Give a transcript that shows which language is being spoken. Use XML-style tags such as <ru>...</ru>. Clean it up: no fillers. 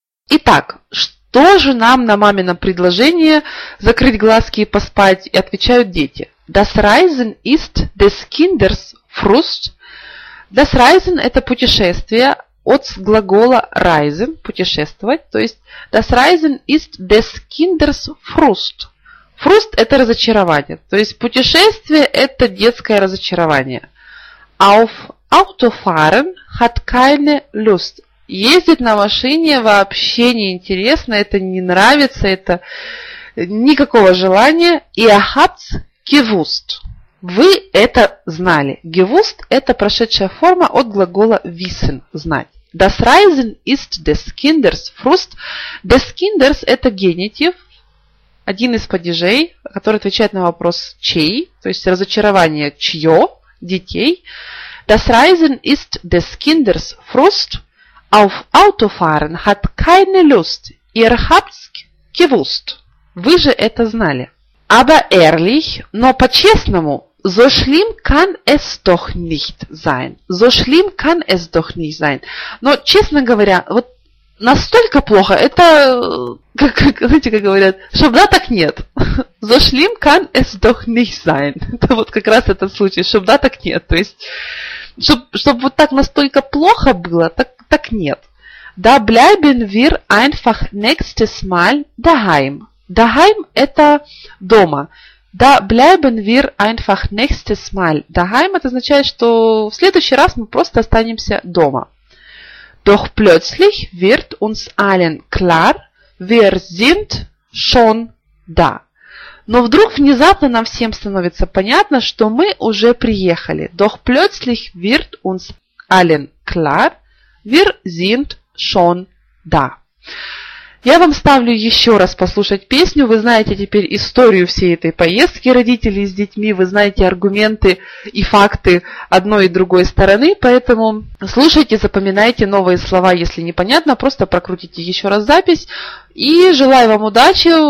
<ru>Итак, что же нам на мамином предложении закрыть глазки и поспать, и отвечают дети?</ru> <de>Das Reisen ist des Kinders Frust.</de> <ru>Das Reisen – это путешествие от глагола reisen – путешествовать. То есть,</ru> <de>das Reisen ist des Kinders Frust.</de> <ru>Frust – это разочарование. То есть, путешествие – это детское разочарование.</ru> <de>Auf Autofahren hat keine Lust.</de> <ru>Ездить на машине вообще не интересно, это не нравится, это никакого желания.</ru> <de>Ihr habt's gewusst.</de> <ru>Вы это знали. Gewusst – это прошедшая форма от глагола wissen – знать.</ru> <de>Das Reisen ist des Kinders Frust.</de> <ru>Des Kinders – это генитив, один из падежей, который отвечает на вопрос чей, то есть разочарование чье детей.</ru> <de>Das Reisen ist des Kinders Frust. Auf Autofahren hat keine Lust. Ihr habt's gewusst.</de> <ru>Вы же это знали.</ru> <de>Aber ehrlich,</de> <ru>но по-честному,</ru> <de>so schlimm kann es doch nicht sein. So schlimm kann es doch nicht sein.</de> <ru>Но, честно говоря, вот настолько плохо, это, как, знаете, как говорят, чтоб да, так нет.</ru> <de>So schlimm kann es doch nicht sein.</de> <ru>Это вот как раз этот случай, чтоб да, так нет. То есть, чтоб вот так настолько плохо было, так нет.</ru> <de>Da bleiben wir einfach nächstes Mal daheim. Daheim –</de> <ru>это дома.</ru> <de>Da bleiben wir einfach nächstes Mal daheim.</de> <ru>Это означает, что в следующий раз мы просто останемся дома.</ru> <de>Doch plötzlich wird uns allen klar, wir sind schon da.</de> <ru>Но вдруг внезапно нам всем становится понятно, что мы уже приехали.</ru> <de>Doch plötzlich wird uns allen klar, wir sind schon da.</de> <ru>Я вам ставлю еще раз послушать песню. Вы знаете теперь историю всей этой поездки родителей с детьми. Вы знаете аргументы и факты одной и другой стороны. Поэтому слушайте, запоминайте новые слова, если непонятно. Просто прокрутите еще раз запись. И желаю вам удачи.</ru>